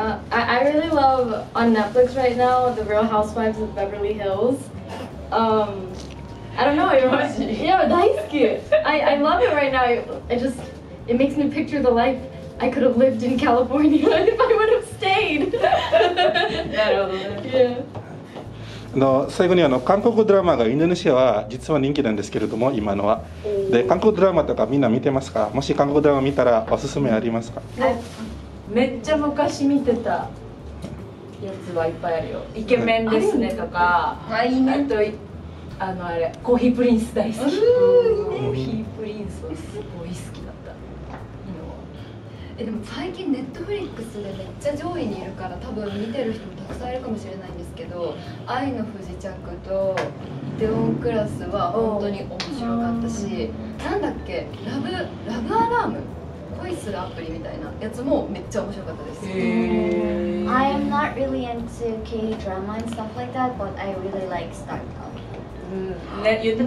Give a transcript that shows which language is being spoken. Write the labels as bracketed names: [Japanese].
[English] I really love on Netflix right now The Real Housewives of Beverly Hills. I don't know. Yeah, [Japanese] 大好き. [English] I love it right now. It makes me picture the life I could have lived in California if I would have stayed. [Japanese] の最後に韓国ドラマがインドネシアは実は人気なんですけれども今のはで韓国ドラマとかみんな見てますか？もし韓国ドラマ見たらおすすめありますか？めっちゃ昔見てた。やつはいっぱいあるよ。イケメンですねとか、はい、あとあれコーヒープリンス大好き。コーヒープリンスすごい好きだった。でも最近ネットフリックスでめっちゃ上位にいるから多分見てる人もたくさんいるかもしれないんですけど、愛の不時着とイテオンクラスは本当に面白かったし、なんだっけラブアラーム。 [English] I am not really into K drama and stuff like that, but I really like Startup.